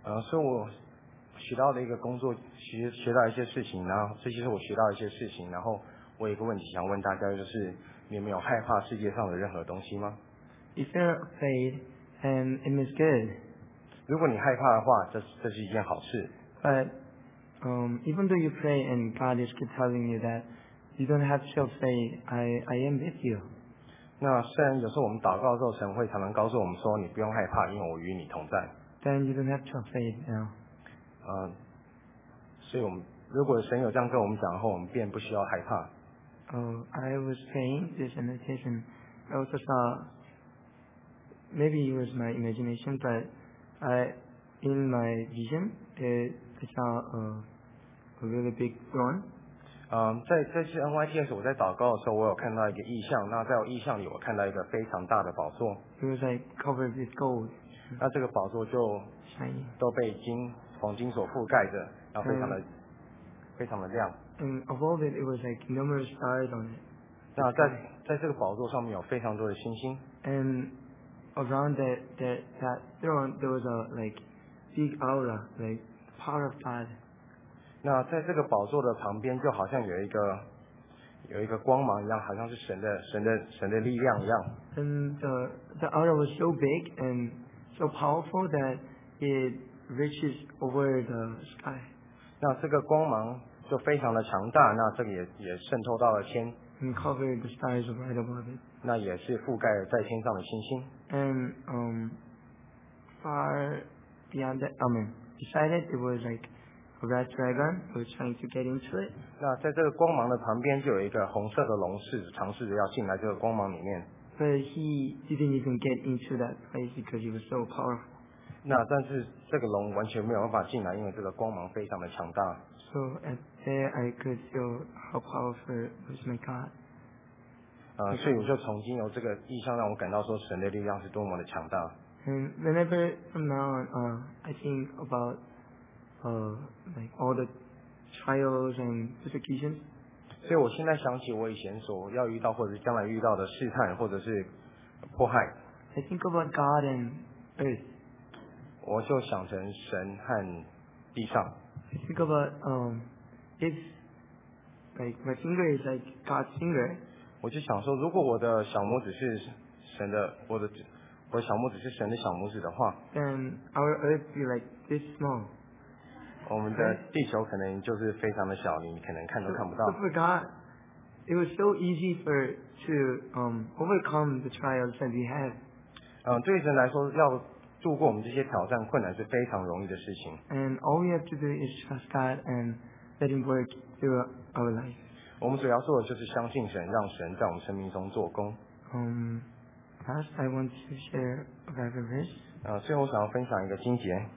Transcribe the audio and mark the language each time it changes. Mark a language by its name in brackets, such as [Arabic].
[Chinese] 所以我学到的一个工作，学到一些事情，然后这些是我学到一些事情，然后我有一个问题想问大家，就是你有没有害怕世界上的任何东西吗 [English] ？If you're afraid, then it is good. [Chinese] 如果你害怕的话，这是一件好事。 [English] But even though you pray and God is keep telling you that you don't have to say I am with you. [Chinese] 那虽然有时候我们祷告的时候，神会常常告诉我们说：“你不用害怕，因为我与你同在。” [English] Then you don't have to afraid now. [Chinese] 所以我们如果神有这样跟我们讲后，我们便不需要害怕。 [English] I was praying this meditation. I also saw maybe it was my imagination, but in my vision, I saw a really big throne. [Chinese] 在这次 NYTS 我在祷告的时候，我有看到一个异象。那在我异象里，我看到一个非常大的宝座。 [English] It was like covered with gold. [Chinese] 那这个宝座就都被黄金所覆盖着，然后非常的亮。 [English] And above it, it was like numerous stars on it. [Chinese] 那在这个宝座上面有非常多的星星。 [English] And around that throne, there was a like big aura, like power of God. [Chinese] 那在这个宝座的旁边，就好像有一个光芒一样，好像是神的力量一样。 [English] And the aura was so big and so powerful that it reaches over the sky. [Chinese] 那这个光芒就非常的强大，那这个也渗透到了天。 [English] And covered the stars right above it. [Chinese] 那也是覆盖了在天上的星星。 [English] And far beyond that, beside it, it was like. A red dragon was trying to get into it. [Chinese] 那在这个光芒的旁边，就有一个红色的龙是尝试着要进来这个光芒里面。 [English] But he didn't even get into that place because he was so powerful. [Chinese] 那但是这个龙完全没有办法进来，因为这个光芒非常的强大。 [English] So at there, I could feel how powerful was my God. [Chinese] 所以我就从经由这个意象，让我感到说神的力量是多么的强大。 [English] And whenever from now on, I think about. Like all the trials and persecutions. [Chinese] 所以我现在想起我以前所要遇到或者将来遇到的试探或者是迫害。 [English] I think about God and Earth. [Chinese] 我就想成神和地上。 [English] I think about if like my finger is like God's finger. [Chinese] 我就想说，如果我的小拇指是神的，我的小拇指是神的小拇指的话 [English] ，then our earth be like this small. [Chinese] 我们的地球可能就是非常的小，你可能看都看不到。 [English] For God, it was so easy for to overcome the trials that we had. [Chinese] 对神来说，要度过我们这些挑战困难是非常容易的事情。 [English] And all we have to do is trust God and let Him work through our life. [Chinese] 我们主要做的就是相信神，让神在我们生命中做工。 [English] First, I want to share a Bible verse. [Chinese] 最后我想要分享一个经节。